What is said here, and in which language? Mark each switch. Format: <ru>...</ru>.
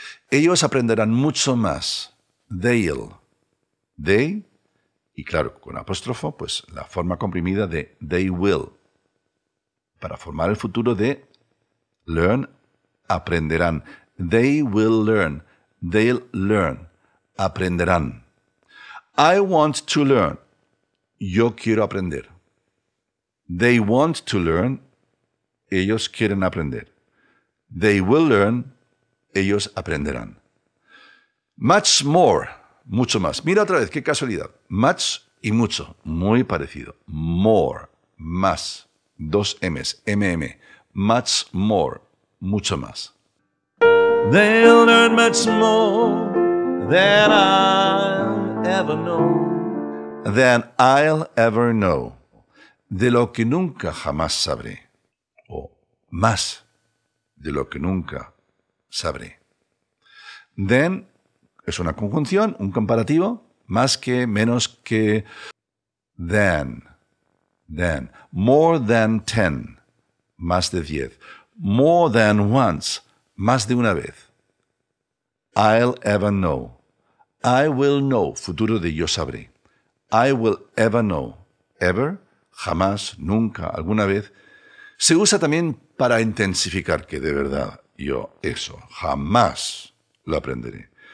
<es>Ellos aprenderán mucho más. They'll. They, y claro, con apóstrofo, pues la forma comprimida de they will, para formar el futuro de learn, aprenderán.</es> <en>They will learn, they'll learn, aprenderán. I want to learn, yo quiero aprender. They want to learn, ellos quieren aprender. They will learn, ellos aprenderán. Much more, mucho más.</en> <es>Mira otra vez, qué casualidad. Much y mucho, muy parecido. More, más. Dos M's, M-M.</es> <en>Much more, mucho más. They'll learn much more than I'll ever know. Than I'll ever know.</en> <es>De lo que nunca jamás sabré. O más de lo que nunca sabré. Then es una conjunción, un comparativo, más que, menos que, than, than, more than 10, más de 10, more than once, más de una vez.</es> <en>I'll ever know, I will know, futuro de yo sabré. I will ever know, ever, jamás, nunca, alguna vez.</en> <es>Se usa también para intensificar que de verdad yo eso jamás lo aprenderé.</es>